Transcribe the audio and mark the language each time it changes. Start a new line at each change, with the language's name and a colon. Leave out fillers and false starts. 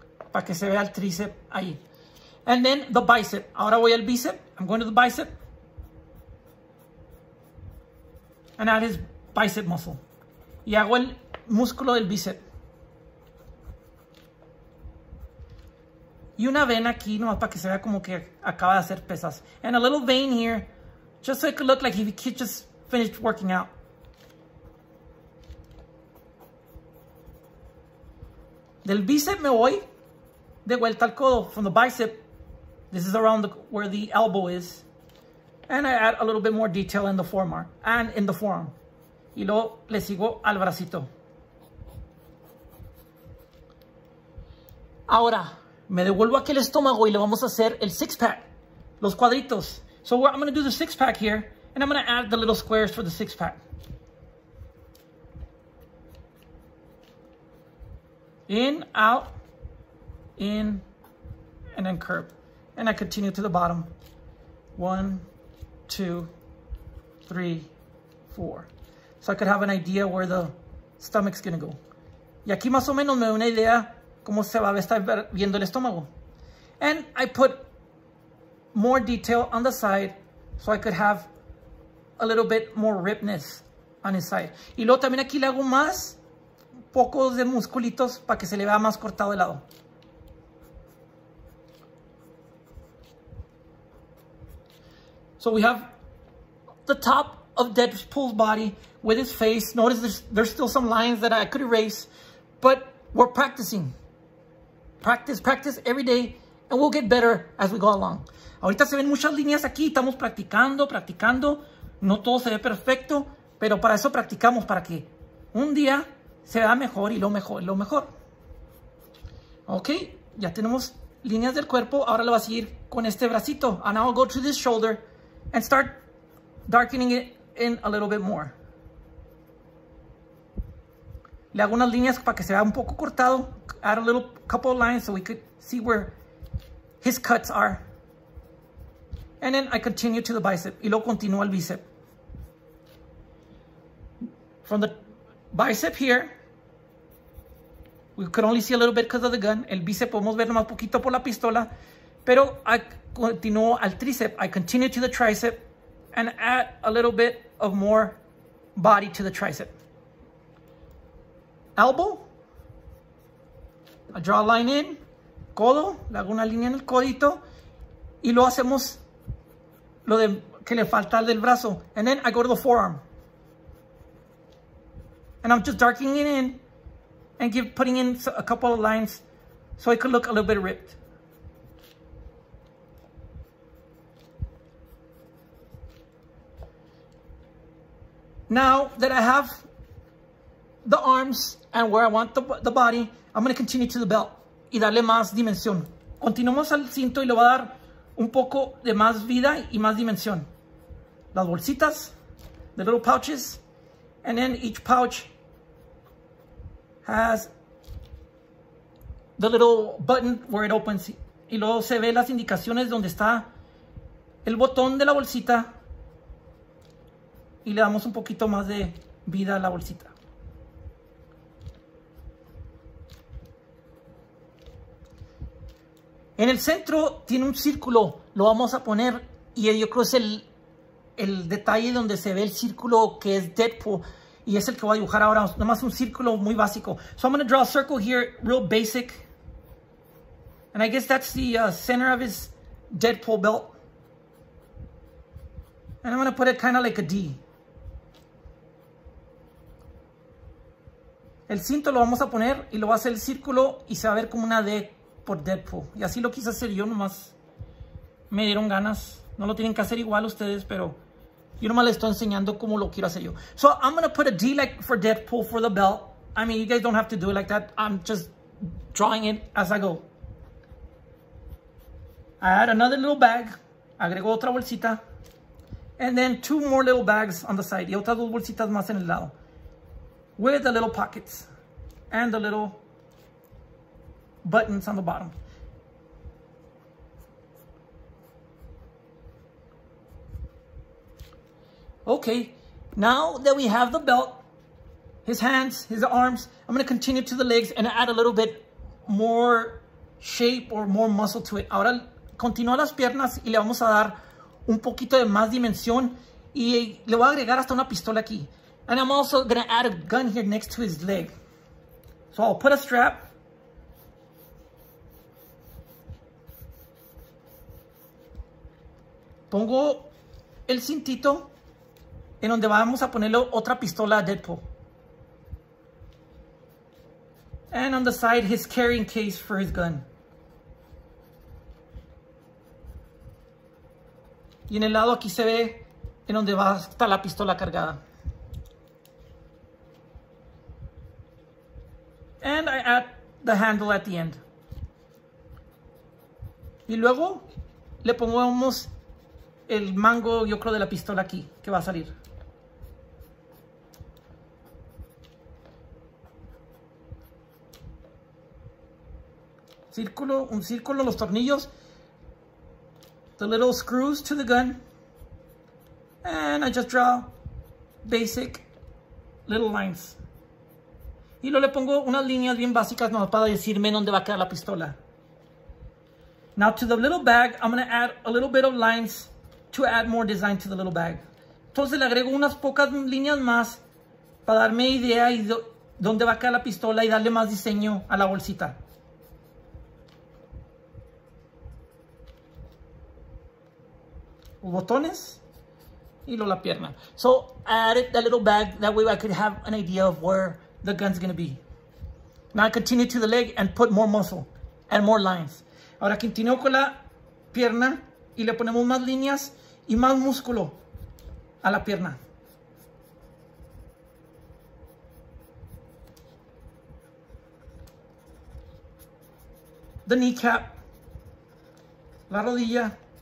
Spanish: Para que se vea el tricep ahí.
English: And then the bicep.
Spanish: Ahora voy al bicep.
English: I'm going to the bicep. And add his bicep muscle.
Spanish: Y hago el músculo del bicep. Y una vena aquí, nomás para que se vea como que acaba de hacer pesas.
English: And a little vein here, just so it could look like if he could just finished working out.
Spanish: Del bicep me voy de vuelta al codo.
English: From the bicep, this is around where the elbow is. And I add a little bit more detail in the forearm. And in the forearm.
Spanish: Y luego le sigo al bracito. Ahora, me devuelvo aquel estómago y le vamos a hacer el six pack, los cuadritos.
English: So I'm going to do the six pack here, and I'm going to add the little squares for the six pack. In, out, in, and then curve. And I continue to the bottom. One, two, three, four. So I could have an idea where the stomach's going to go.
Spanish: Y aquí más o menos me da una idea cómo se va a estar viendo el estómago.
English: And I put more detail on the side so I could have a little bit more ripness on his side.
Spanish: Y luego también aquí le hago más pocos de musculitos para que se le vea más cortado el lado.
English: So we have the top of Deadpool's body with his face. Notice there's still some lines that I could erase, but we're practicing. Practice, practice every day, and we'll get better as we go along.
Spanish: Ahorita se ven muchas líneas aquí, estamos practicando, practicando. No todo se ve perfecto, pero para eso practicamos, para que un día se vea mejor y lo mejor, lo mejor. Ok, ya tenemos líneas del cuerpo, ahora lo va a seguir con este bracito.
English: And I'll go to this shoulder and start darkening it in a little bit more.
Spanish: Le hago unas líneas para que se vea un poco cortado.
English: Add a little couple of lines so we could see where his cuts are. And then I continue to the bicep.
Spanish: Y luego continúo al bicep.
English: From the bicep here, we could only see a little bit because of the gun.
Spanish: El bicep podemos ver nomás poquito por la pistola. Pero I continúo al tricep.
English: I continue to the tricep and add a little bit of more body to the tricep. Elbow, I draw a line in,
Spanish: codo, le hago una línea en el codito, y luego hacemos lo de que le falta al del brazo.
English: And then I go to the forearm. And I'm just darkening it in and putting in a couple of lines so it could look a little bit ripped. Now that I have the arms and where I want the body, I'm going to continue to the belt
Spanish: y darle más dimensión. Continuamos al cinto y le voy a dar un poco de más vida y más dimensión. Las bolsitas,
English: the little pouches, and then each pouch has the little button where it opens.
Spanish: Y luego se ve las indicaciones donde está el botón de la bolsita y le damos un poquito más de vida a la bolsita. En el centro tiene un círculo, lo vamos a poner, y yo creo que es el detalle donde se ve el círculo que es Deadpool, y es el que voy a dibujar ahora, nomás un círculo muy básico.
English: So I'm going to draw a circle here, real basic. And I guess that's the center of his Deadpool belt. And I'm going to put it kind of like a D.
Spanish: El cinto lo vamos a poner y lo va a hacer el círculo y se va a ver como una D por Deadpool. Y así lo quise hacer yo, nomás me dieron ganas. No lo tienen que hacer igual ustedes, pero yo nomás les estoy enseñando cómo lo quiero hacer yo.
English: So I'm going to put a D like for Deadpool for the belt. I mean, you guys don't have to do it like that. I'm just drawing it as I go. I add another little bag.
Spanish: Agrego otra bolsita.
English: And then two more little bags on the side.
Spanish: Y otras dos bolsitas más en el lado.
English: With the little pockets. And the little buttons on the bottom. Okay. Now that we have the belt, his hands, his arms, I'm going to continue to the legs and add a little bit more shape or more muscle to it.
Spanish: Ahora continúa las piernas y le vamos a dar un poquito de más dimensión y le voy a agregar hasta una pistola aquí.
English: And I'm also going to add a gun here next to his leg. So I'll put a strap.
Spanish: Pongo el cintito en donde vamos a ponerle otra pistola a Deadpool.
English: And on the side, his carrying case for his gun.
Spanish: Y en el lado aquí se ve en donde va a estar la pistola cargada.
English: And I add the handle at the end.
Spanish: Y luego le pongamos el mango, yo creo, de la pistola aquí, que va a salir. Círculo, un círculo, los tornillos.
English: The little screws to the gun. And I just draw basic little lines.
Spanish: Y luego le pongo unas líneas bien básicas nomás para decirme dónde va a quedar la pistola.
English: Now to the little bag, I'm going to add a little bit of lines to add more design to the little bag.
Spanish: Entonces le agrego unas pocas líneas más para darme idea y dónde va a quedar la pistola y darle más diseño a la bolsita. Botones y luego la pierna.
English: So I added that little bag, that way I could have an idea of where the gun's gonna be. Now I continue to the leg and put more muscle and more lines.
Spanish: Ahora continuo con la pierna y le ponemos más líneas y más músculo a la pierna.
English: The kneecap,
Spanish: la rodilla.